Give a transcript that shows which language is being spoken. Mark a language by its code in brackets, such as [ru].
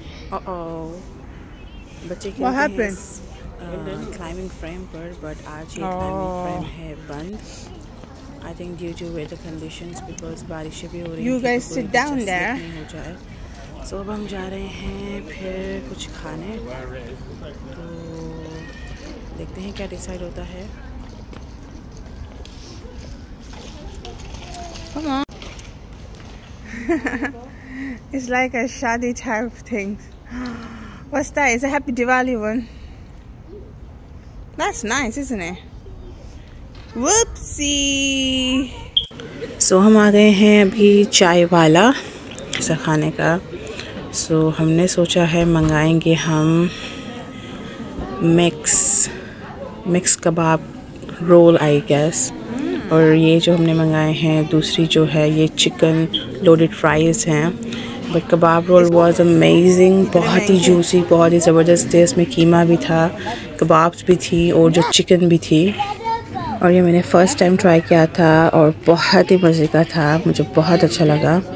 [en] What happened? [hi] Climbing frame पर, but आज ये climbing frame है बंद. [en] I think due to weather conditions, because [hi] बारिश भी हो रही है. [en] You guys sit down there. [hi] So अब हम जा रहे हैं फिर कुछ खाने. तो देखते हैं क्या decide होता है. [en] Come on. It's like a shadi type thing. What's that? It's a happy Diwali one. That's nice, isn't it? Whoopsie! [hi] So हम आ गए हैं अभी चाय वाला ऐसा खाने का. So हमने सोचा है मंगाएंगे हम mix kebab roll, I guess. और ये जो हमने मंगाए हैं दूसरी जो है ये chicken loaded fries हैं. [en] but कबाब roll was amazing, [hi] बहुत ही जूसी, बहुत ही ज़बरदस्त थे. उसमें कीमा भी था, कबाब्स भी थी, और जो चिकन भी थी. और ये मैंने फ़र्स्ट टाइम ट्राई किया था और बहुत ही मज़े का था, मुझे बहुत अच्छा लगा.